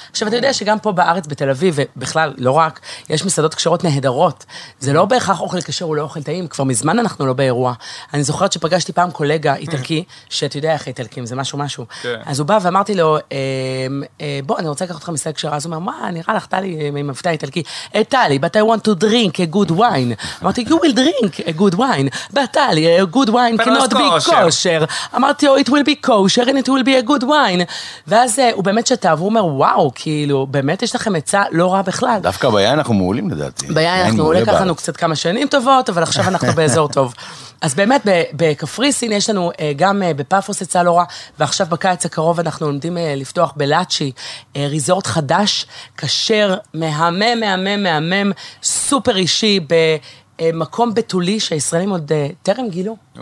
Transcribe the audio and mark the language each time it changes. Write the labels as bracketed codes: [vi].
[he] עכשיו, אתה יודע שגם פה בארץ, בתל אביב, ובכלל, לא רק, יש מסעדות כשרות נהדרות. זה לא בהכרח אוכל כשר, הוא לא אוכל טעים, כבר מזמן אנחנו לא באירוע. אני זוכרת שפגשתי פעם קולגה איטלקי, שאתה יודע איך איטלקים, זה משהו משהו. אז הוא בא ואמרתי לו, בוא, אני רוצה לקחת אותך מסעדה כשרה. אז הוא אומר, מה, נראה לך, טלי, ממבטא איטלקי. [en] טלי, but I want to drink a good wine. אמרתי, you will drink a good wine, but טלי, a good wine cannot be kosher. אמרתי, you, it will be kosher and it will be a good wine. [he] ואז הוא באמת שתה, והוא אומר, וואו, כאילו, באמת יש לכם מצא לא רע בכלל. דווקא ביין אנחנו מעולים לדעתי. ביין אנחנו מעולה, קחנו קצת כמה שנים טובות, אבל עכשיו אנחנו באזור טוב. אז באמת, בקפריסין יש לנו גם בפאפוס יצא לא רע, ועכשיו בקיץ הקרוב אנחנו עומדים לפתוח בלאצ'י, ריזורט חדש, כשר, מהמם, מהמם, מהמם, סופר אישי, במקום בתולי שהישראלים עוד טרם גילו.